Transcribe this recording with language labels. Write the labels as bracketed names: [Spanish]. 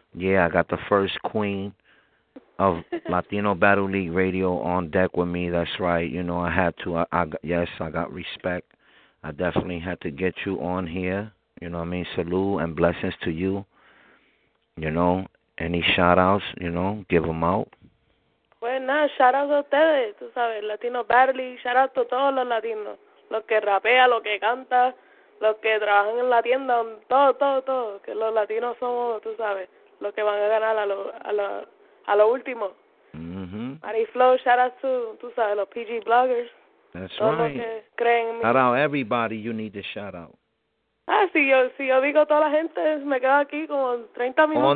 [English] Yeah, I got the first queen of Latino Battle League Radio on deck with me. That's right. You know, I had to. Yes, I got respect. I definitely had to get you on here. You know what I mean? Salute and blessings to you. You know, any shout-outs, you know, give them out. [Spanish] Pues nada, shout-outs a ustedes, tú sabes, Latino Barley, shout-outs a todos los latinos, los que rapean, los que cantan, los que trabajan en la tienda, todo, que los latinos somos, tú sabes, los que van a ganar a lo último. Mm-hmm. Mariflow, shout-outs to, tú sabes, los PG bloggers. [English] That's right. [Spanish] Los que creen en mí. [English] Shout-out everybody you need to shout-out. [Spanish] Ah, si yo digo a toda la gente, me quedo aquí como 30 minutos.